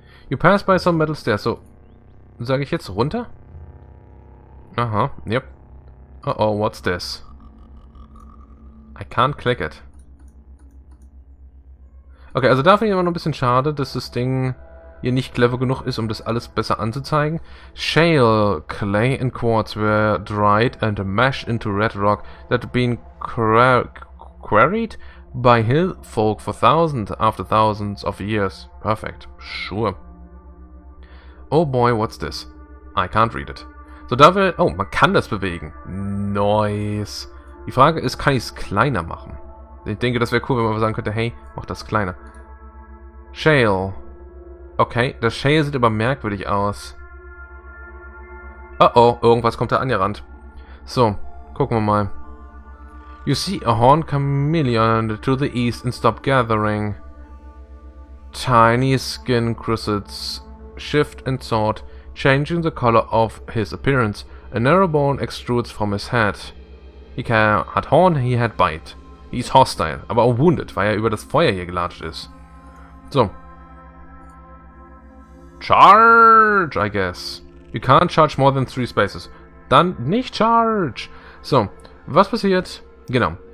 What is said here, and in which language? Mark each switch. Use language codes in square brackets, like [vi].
[en] You pass by some metal stairs. [de] So, sage ich jetzt runter? [en] Aha, yep. Oh, what's this? I can't click it. [de] Okay, also da finde ich immer noch ein bisschen schade, dass das Ding hier nicht clever genug ist, um das alles besser anzuzeigen. [en] Shale, clay and quartz were dried and mashed into red rock that had been quarried by hill folk for thousands after thousands of years. Perfect. Sure. Oh boy, what's this? I can't read it. [de] So da will... Oh, man kann das bewegen. Nice. Die Frage ist, kann ich es kleiner machen? Ich denke, das wäre cool, wenn man sagen könnte, hey, mach das kleiner. Shale. Okay, das Shale sieht aber merkwürdig aus. Oh, irgendwas kommt da angerannt. So, gucken wir mal. [en] You see a horned chameleon to the east and stop gathering. Tiny skin crusades shift and sort, changing the color of his appearance. A narrow bone extrudes from his head. He had horn, he had bite. He is hostile, [de] aber auch wounded, weil er über das Feuer hier gelatscht ist. So. [en] Charge, I guess. You can't charge more than 3 spaces. [de] Dann nicht charge. So, was passiert? Genau.